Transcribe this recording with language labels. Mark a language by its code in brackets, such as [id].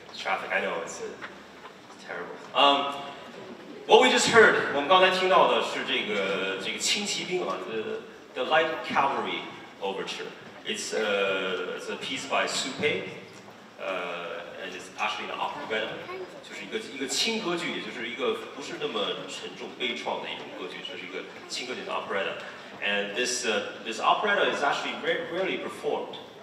[en] It's traffic, I know, it's terrible. What we just heard, [zh] 我们刚才听到的是这个轻骑兵啊, [en] the Light Cavalry Overture. It's a piece by Su Pei, and it's actually an opera. [zh] 就是一个轻歌剧, 也就是一个不是那么沉重悲怆的一种歌剧, 就是一个轻歌剧的 operetta. [en] And this operetta is actually very rarely performed.